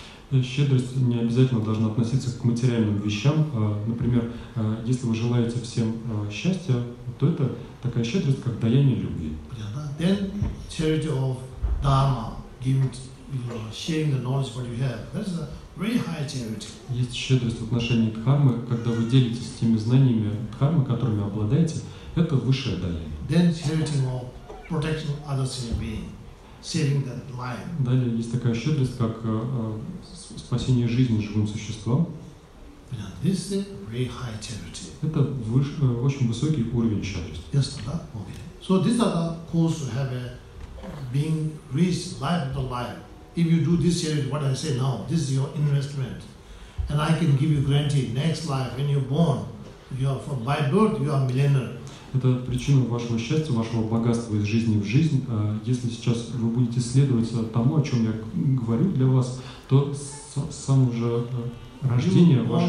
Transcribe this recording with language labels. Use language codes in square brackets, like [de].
[ru] Щедрость не обязательно должна относиться к материальным вещам. Например, если вы желаете всем счастья, то это такая щедрость, как даяние любви. [en] Then charity of dharma, giving, you know, sharing the knowledge what you have. That's a very high charity. [ru] Есть щедрость в отношении дхармы, когда вы делитесь теми знаниями дхармы, которыми обладаете, это высшее даяние. [en] Then charity of protecting others in your being. Saving that life. [ru] Далее есть такая щедрость, как спасение жизни живым существам. [en] This is very high charity. [ru] Это очень высокий уровень щедрости. [en] Yes, that okay. So these are the cause to have a being rich, life of the life. If you do this charity, what I say now, this is your investment, and I can give you guarantee next life when you're born, you are from by birth you are a millionaire. [ru] Это причина вашего счастья, вашего богатства из жизни в жизнь. Если сейчас вы будете следовать тому, о чем я говорю для вас, то с самого же рождения